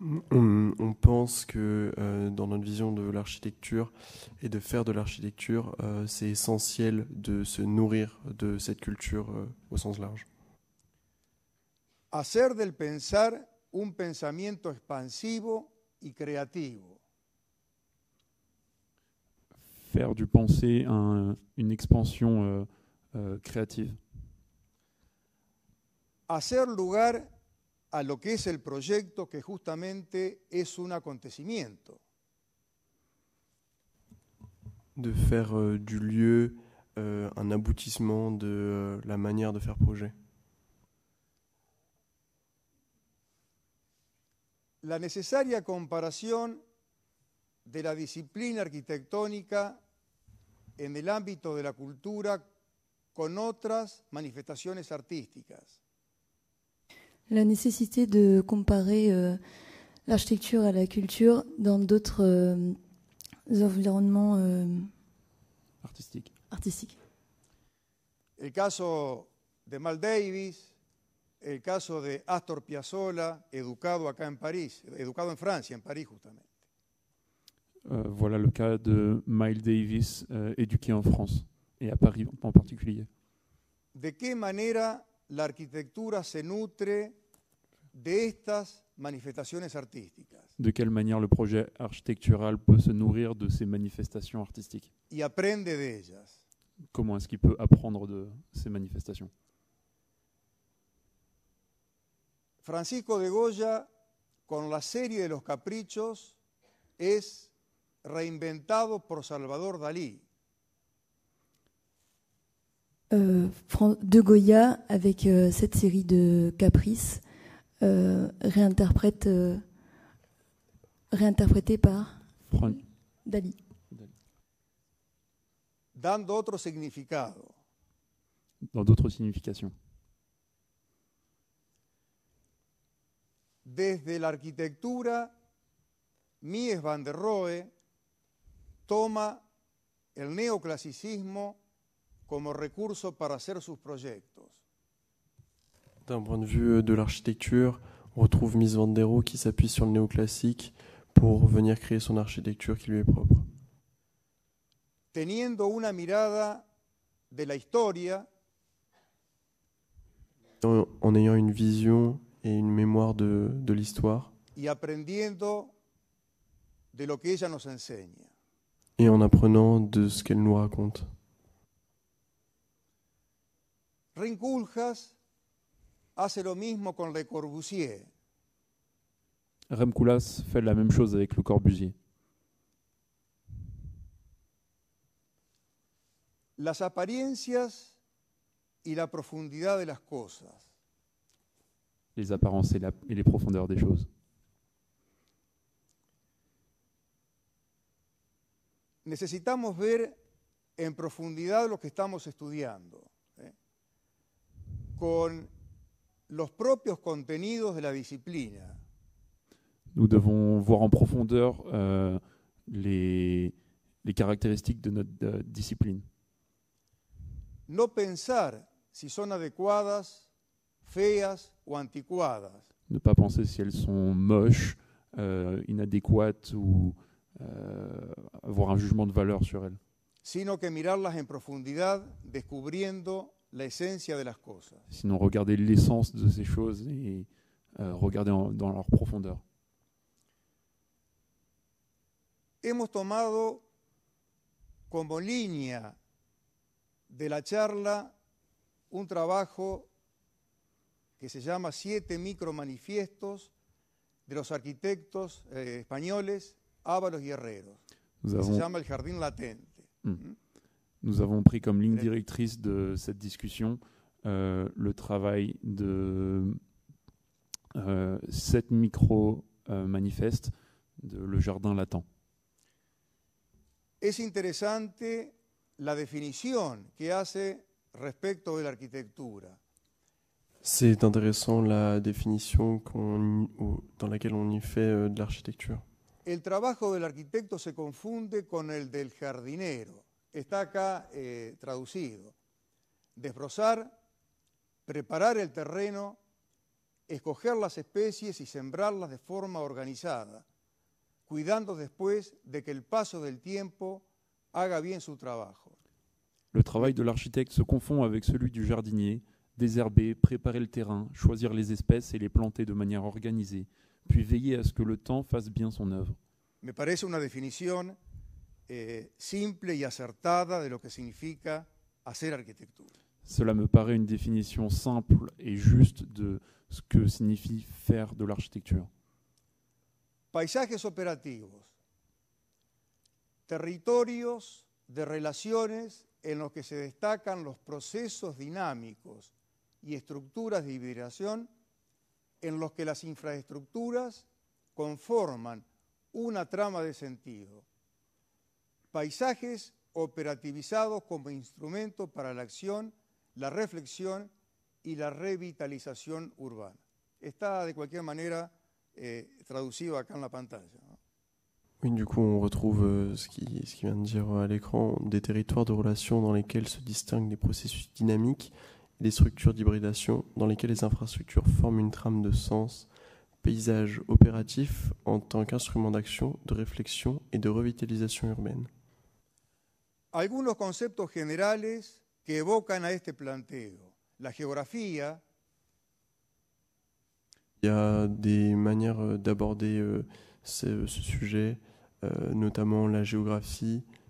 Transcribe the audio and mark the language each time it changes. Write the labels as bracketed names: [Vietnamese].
[French] On pense que dans notre vision de l'architecture et de faire de l'architecture, c'est essentiel de se nourrir de cette culture au sens large. [Spanish] Hacer del pensar un pensamiento expansivo y creativo. [French] Faire du penser une expansion créative. [Spanish] Hacer lugar a lo que es el proyecto, que justamente es un acontecimiento. [French] De faire du lieu un aboutissement de la manière de faire projet. [Spanish] La necesaria comparación de la disciplina arquitectónica en el ámbito de la cultura con otras manifestaciones artísticas. [French] La nécessité de comparer l'architecture à la culture dans d'autres environnements artistiques. [Spanish] El caso de Miles Davis, el caso de Astor Piazzolla, educado acá en París, educado en Francia, en París justamente. [French] Voilà le cas de Miles Davis, éduqué en France et à Paris en particulier. [Spanish] De qué manera la arquitectura se nutre de estas manifestaciones artísticas. [French] De quelle manière le projet architectural peut se nourrir de ces manifestations artistiques? [Spanish] Y aprende de ellas. [French] Comment est-ce qu'il peut apprendre de ces manifestations? [Spanish] Francisco de Goya, con la serie de los caprichos, es reinventado por Salvador Dalí. [French] De Goya, avec cette série de caprices, réinterprété par Dalí. Dans d'autres significations. [Spanish] Desde la arquitectura, Mies van der Rohe toma el neoclasicismo como recurso para hacer sus proyectos. [French] D'un point de vue de l'architecture, on retrouve Mies van der Rohe qui s'appuie sur le néoclassique pour venir créer son architecture qui lui est propre. [Spanish] Teniendo una mirada de la historia, [French] en ayant une vision et une mémoire de l'histoire, [Spanish] y aprendiendo de lo que ella nos enseña. [French] Et en apprenant de ce qu'elle nous raconte. [Spanish] Rinculjas hace lo mismo con Le Corbusier. [French] Rem Koolhaas fait la même chose avec Le Corbusier. [Spanish] Las apariencias y la profundidad de las cosas. [French] Les apparences et les profondeurs des choses. [Spanish] Necesitamos ver en profundidad lo que estamos estudiando. Con los propios contenidos de la disciplina. [French] Nous devons voir en profondeur les caractéristiques de notre discipline. [Spanish] No pensar si son adecuadas, feas o anticuadas. [French] ne pas penser si elles sont moches, inadéquates ou avoir un jugement de valeur sur elles. [Spanish] Sino que mirarlas en profundidad, descubriendo la esencia de las cosas. [French] Sinon regarder l'essence de ces choses et regarder dans leur profondeur. [Spanish] Hemos tomado como línea de la charla un trabajo que se llama Siete micromanifiestos de los arquitectos españoles Ábalos y Herreros. Se llama El Jardín Latente. [French] Nous avons pris comme ligne directrice de cette discussion le travail de sept micro-manifestes de Le Jardin Latent. [Spanish] Es interesante la definición que hace respecto de la arquitectura. [French] C'est intéressant la définition dans laquelle on y fait de l'architecture. [Spanish] El trabajo del arquitecto se confunde con el del jardinero. Está acá traducido. Desbrozar, preparar el terreno, escoger las especies y sembrarlas de forma organizada, cuidando después de que el paso del tiempo haga bien su trabajo. [French] Le travail de l'architecte se confond avec celui du jardinier. Désherber, préparer le terrain, choisir les espèces et les planter de manière organisée, puis veiller à ce que le temps fasse bien son œuvre. [Spanish] Me parece una definición simple y acertada de lo que significa hacer arquitectura. [French] Cela me paraît une définition simple et juste de ce que signifie faire de l'architecture. [Spanish] Paisajes operativos. Territorios de relaciones en los que se destacan los procesos dinámicos y estructuras de hibridación en los que las infraestructuras conforman una trama de sentido. Paisajes operativizados como instrumento para la acción, la reflexión y la revitalización urbana. Está de cualquier manera traducido acá en la pantalla. [French] Oui, du coup, on retrouve ce qui vient de dire à l'écran, des territoires de relations dans lesquels se distinguent des processus dynamiques, des structures d'hybridation dans lesquelles les infrastructures forment une trame de sens. Paysage opératif en tant qu'instrument d'action, de réflexion et de revitalisation urbaine. [Spanish] Algunos conceptos generales que evocan a este planteo. La geografía. [French] Il y a des manières d'aborder ce sujet, notamment la géographie.